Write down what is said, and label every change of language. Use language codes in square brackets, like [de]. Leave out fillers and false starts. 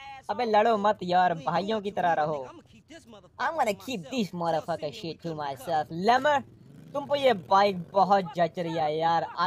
[hi] अबे लड़ो मत यार, भाइयों की तरह रहो। [en] I'm gonna keep this motherfucker shit to myself. [hi] Lamar, तुम पे ये बाइक बहुत जच रही है यार।